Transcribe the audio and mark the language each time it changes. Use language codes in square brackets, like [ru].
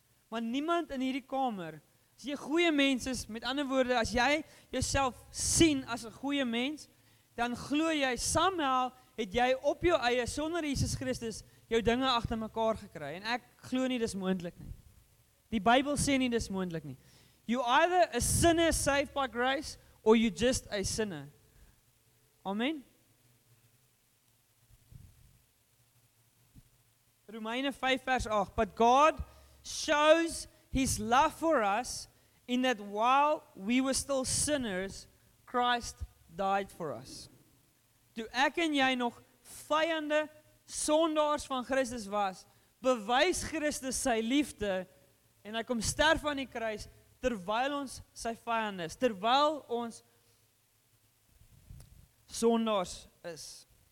[af] Maar niemand in hierdie kamer, as jy goeie mens is, met ander woorde, as jy jouself sien as 'n goeie mens, dan glo jy, somehow het jy op jou eie, sonder Jesus Christus, jou dinge agter mekaar gekry. En ek glo nie, dis moontlik nie. Die Bybel sê nie, dis moontlik nie. [en] You either a sinner saved by grace, or you just a sinner. Amen? [af] Romeine 5 vers 8, [en] but God shows His love for us in that while we were still sinners, Christ died for us. [af] To ek en jy nog vyande sondaars van Christus was, bewys Christus sy liefde, en hy kom sterf aan die kruis, terwyl ons sy vyand is, terwyl ons sondaars is.